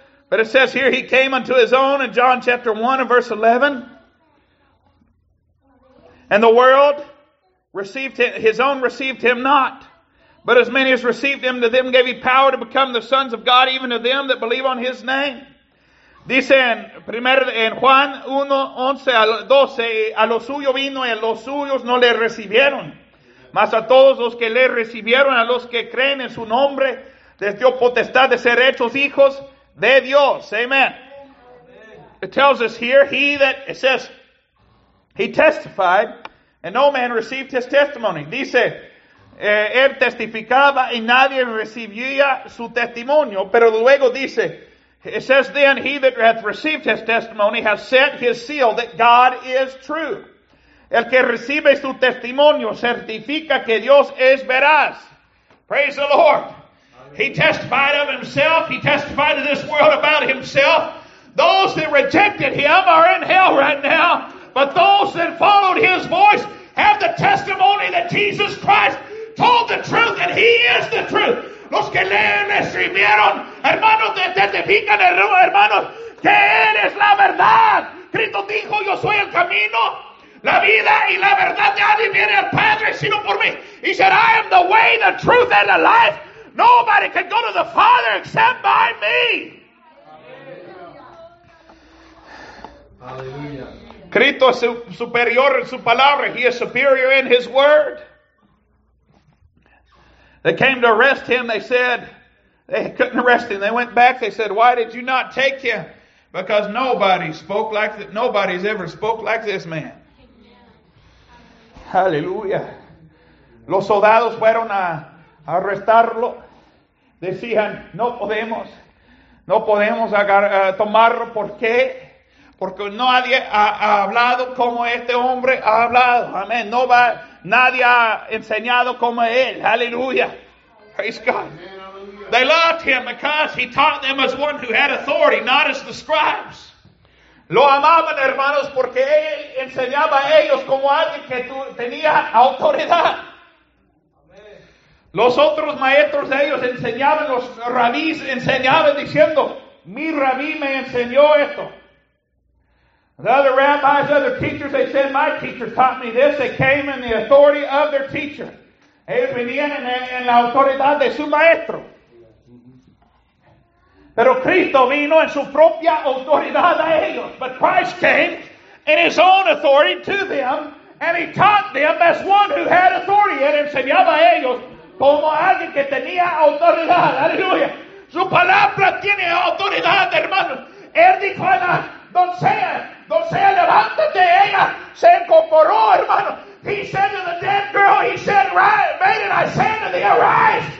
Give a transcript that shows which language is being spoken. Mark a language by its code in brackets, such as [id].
[en] But it says here he came unto his own in John chapter 1 and verse 11. And the world received him, his own received him not. But as many as received him, to them gave he power to become the sons of God, even to them that believe on his name. [es] Dice en Juan 1, 11 al 12, a lo suyo vino y a los suyos no le recibieron. Mas a todos los que le recibieron, a los que creen en su nombre, les dio potestad de ser hechos hijos de Dios. Amen. [en] It tells us here, he testified, and no man received his testimony. [es] Dice, él testificaba y nadie recibía su testimonio. Pero luego dice, [en] it says then, he that hath received his testimony has set his seal that God is true. [es] El que recibe su testimonio certifica que Dios es veraz. [en] Praise the Lord. He testified of himself. He testified to this world about himself. Those that rejected him are in hell right now. But those that followed his voice have the testimony that Jesus Christ told the truth and he is the truth. [es] Los que le recibieron, hermanos, testifican, hermanos, que él es la verdad. Cristo dijo, yo soy el camino, la vida y la verdad. Nadie viene al Padre sino por mí. [en] He said, I am the way, the truth, and the life. Nobody can go to the Father except by me. Hallelujah. [es] Cristo es superior en su palabra. [en] He is superior in his word. They came to arrest him. They said, they couldn't arrest him. They went back. They said, why did you not take him? Because nobody spoke like that. Nobody's ever spoke like this man. Hallelujah. [es] Los soldados fueron a arrestarlo. Decían, no podemos tomarlo. ¿Por qué? Porque nadie ha hablado como este hombre ha hablado. Amén. Nadie ha enseñado como él. Hallelujah. [en] Praise God. Amen, hallelujah. They loved him because he taught them as one who had authority, not as the scribes. [es] Lo amaban, hermanos, porque él enseñaba a ellos como alguien que tenía autoridad. Los otros maestros de ellos enseñaban, los rabís enseñaban diciendo, mi rabí me enseñó esto. [en] The other rabbis, other teachers, they said, my teacher taught me this. They came in the authority of their teacher. [es] Ellos venían en la autoridad de su maestro. Pero Cristo vino en su propia autoridad a ellos. [en] But Christ came in his own authority to them, and he taught them as one who had authority. [es] Él enseñaba a ellos como alguien que tenía autoridad. Aleluya. Su palabra tiene autoridad, hermano. Él dijo a la doncella, doncella, levántate. Ella se incorporó, hermano. [en] He said to the dead girl, he said, right, maiden, I say unto thee, arise.